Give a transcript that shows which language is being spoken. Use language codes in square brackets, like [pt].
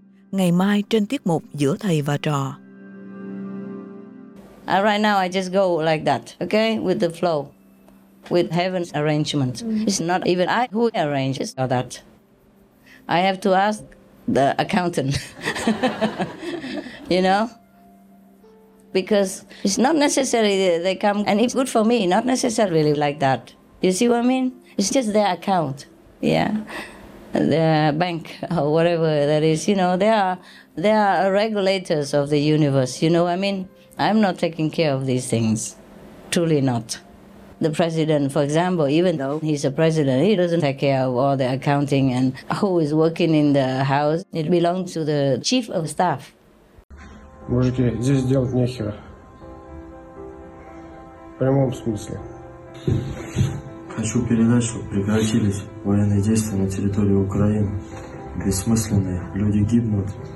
[vi] Ngày mai trên tiết mục giữa thầy và trò. [en] Right now I just go like that, okay, with the flow, with heaven's arrangement. Mm-hmm. It's not even I who arranges all that. I have to ask the accountant, you know, because it's not necessary they come and it's good for me, not necessarily like that. You see what I mean? It's just their account, yeah. the bank or whatever that is, you know, they are regulators of the universe, you know what I mean? I'm not taking care of these things, truly not. The president, for example, even though he's a president, he doesn't take care of all the accounting and who is working in the house. It belongs to the chief of staff. [ru] Мужики, здесь делать нехера. В прямом смысле. Хочу передать, что прекратились военные действия на территории Украины. Бессмысленные. Люди гибнут.